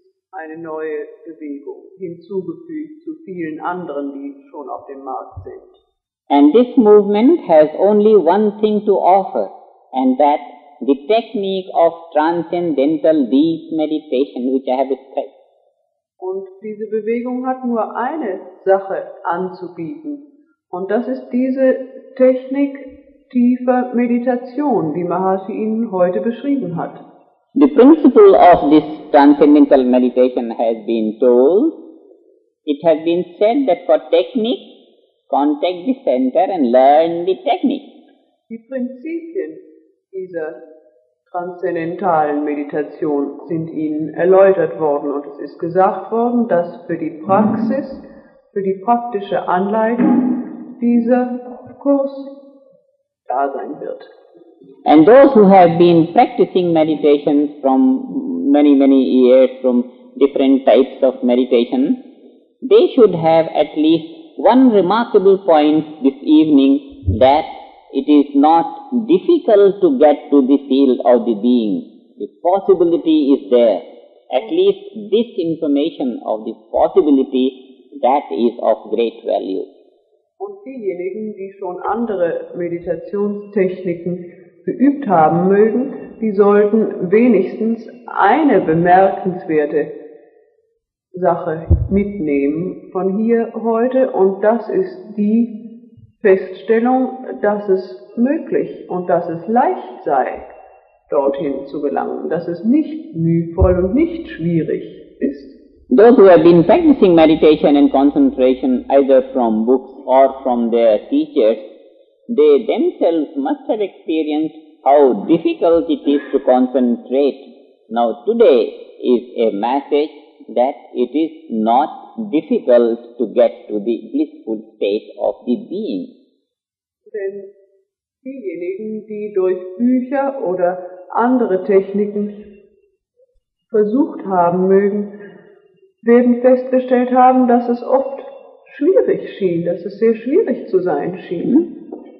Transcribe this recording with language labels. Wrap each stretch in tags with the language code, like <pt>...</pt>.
<de>Eine neue Bewegung hinzugefügt zu vielen anderen, die schon auf dem Markt sind.</de> <en>And this movement has only one thing to offer, and that the technique of transcendental deep meditation, which I have described.</en> <de>Und diese Bewegung hat nur eine Sache anzubieten, und das ist diese Technik tiefer Meditation, die Maharshi Ihnen heute beschrieben hat.</de> <en>The principle of this transcendental meditation has been told. It has been said that for technique, contact the center and learn the technique.</en> <de>Die Prinzipien dieser transzendentalen Meditation sind Ihnen erläutert worden, und es ist gesagt worden, dass für die Praxis, für die praktische Anleitung dieser Kurs da sein wird.</de> <en>And those who have been practicing meditation from many, many years, from different types of meditation, they should have at least one remarkable point this evening, that it is not difficult to get to the field of the being. The possibility is there. At least this information of the possibility, that is of great value.</en> <de>Und diejenigen, die schon andere Meditationstechniken geübt haben mögen, die sollten wenigstens eine bemerkenswerte Sache mitnehmen von hier heute, und das ist die Feststellung, dass es möglich und dass es leicht sei, dorthin zu gelangen, dass es nicht mühvoll und nicht schwierig ist.</de> <en>Those who have been practicing meditation and concentration either from books or from their teachers, they themselves must have experienced how difficult it is to concentrate. Now today is a message that it is not difficult to get to the blissful state of the being.</en> <de>Denn diejenigen, die durch Bücher oder andere Techniken versucht haben mögen, werden festgestellt haben, dass es oft schwierig schien, dass es sehr schwierig zu sein schien.</de>